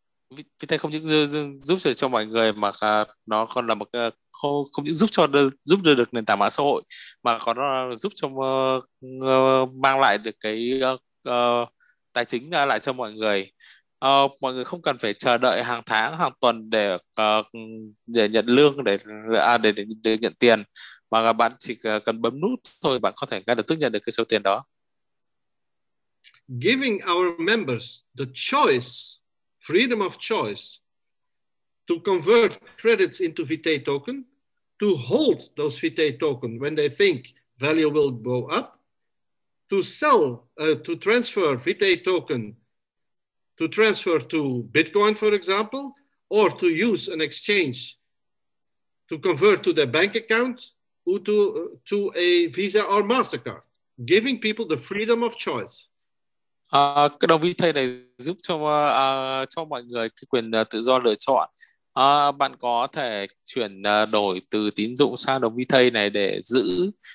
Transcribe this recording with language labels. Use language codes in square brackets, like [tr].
[vi] Vitae không những giúp cho mọi người mà nó còn là một không những giúp cho giúp đưa được nền tảng mạng xã hội mà còn nó giúp cho mang lại được cái tài chính lại cho mọi người. Mọi người không cần phải chờ đợi hàng tháng, hàng tuần để nhận lương để nhận tiền mà bạn chỉ cần bấm nút thôi bạn có thể ngay lập tức nhận được cái số tiền đó. [en] Giving our members the choice, freedom of choice, to convert credits into Vitae token, to hold those Vitae token when they think value will go up, to sell, to transfer Vitae token, to transfer to Bitcoin, for example, or to use an exchange to convert to their bank account or to a Visa or MasterCard, giving people the freedom of choice. [vi] Cái đồng Vitae này giúp cho mọi người cái quyền tự do lựa chọn. Bạn có thể chuyển đổi từ tín dụng sang đồng Vitae này để giữ.